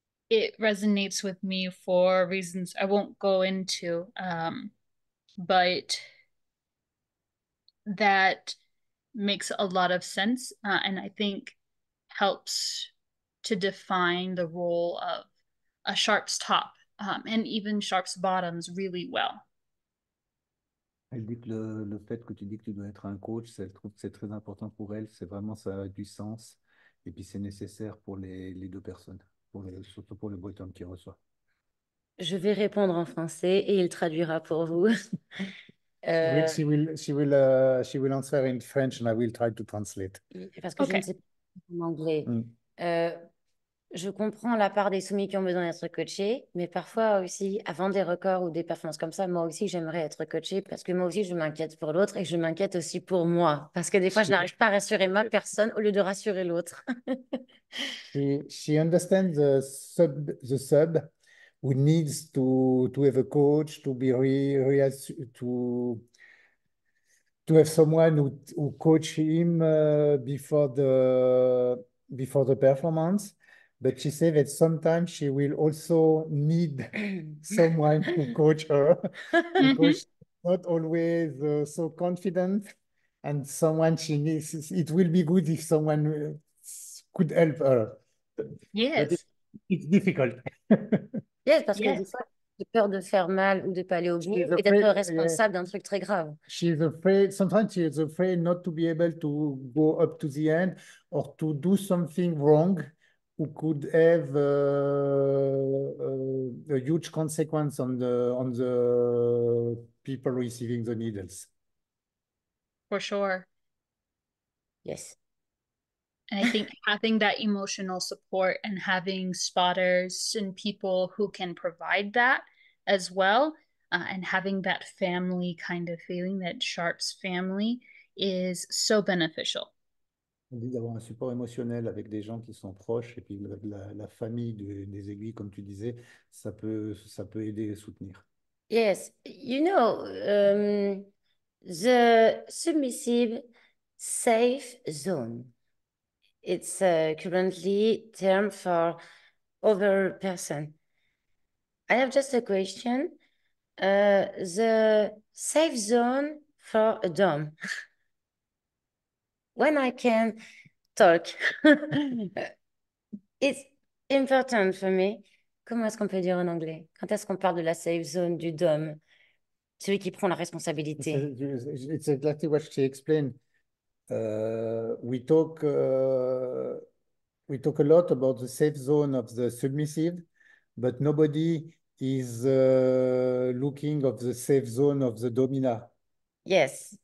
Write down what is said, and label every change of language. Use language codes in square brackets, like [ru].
[en] It resonates with me for reasons I won't go into, but that makes a lot of sense, and I think helps to define the role of a sharp's top, and even sharp's bottoms really well. [fr] Elle dit que le fait que tu dis que tu dois être un coach, elle trouve que c'est très important pour elle, c'est vraiment ça a du sens, et puis c'est nécessaire pour les deux personnes, surtout pour le breton qui reçoit. Je vais répondre en français et il traduira pour vous. [en] Oui, she will answer in French and I will try to translate. [fr] Parce que je ne [en] OK. [fr] sais pas en anglais. Je comprends la part des soumis qui ont besoin d'être coachés, mais parfois aussi, avant des records ou des performances comme ça, moi aussi j'aimerais être coachée parce que moi aussi je m'inquiète pour l'autre et je m'inquiète aussi pour moi. Parce que des fois je n'arrive pas à rassurer ma personne au lieu de rassurer l'autre. [en] She understands the sub who needs to have a coach to be to have someone who coach him before the performance, but she said that sometimes she will also need someone to coach her because she's not always so confident. And someone she needs, it will be good if someone could help her. But Yes. it's difficult. Yes, [fr] parce que des [en] Yes. [fr] fois, j'ai peur de faire mal ou de pas aller au bout [en] She's [fr] et d'être responsable d'un truc très grave. [en] She's afraid. Sometimes she is afraid not to be able to go up to the end or to do something wrong who could have a huge consequence on the people receiving the needles. For sure. Yes. And I think having that emotional support and having spotters and people who can provide that as well, and having that family kind of feeling, that Sharp's family, is so beneficial. [fr] D'avoir un support émotionnel avec des gens qui sont proches et puis la famille des aiguilles, comme tu disais, ça peut aider et soutenir. [en] Yes, the submissive safe zone. It's a currently term for other person. I have just a question. The safe zone for a dom. When I can talk. It's important for me. [fr] Comment est-ce qu'on peut dire en anglais? Quand est-ce qu'on parle de la safe zone du dom? Celui qui prend la responsabilité. [en] It's exactly what she explained. We talk a lot about the safe zone of the submissive, but nobody is looking of the safe zone of the domina Yes.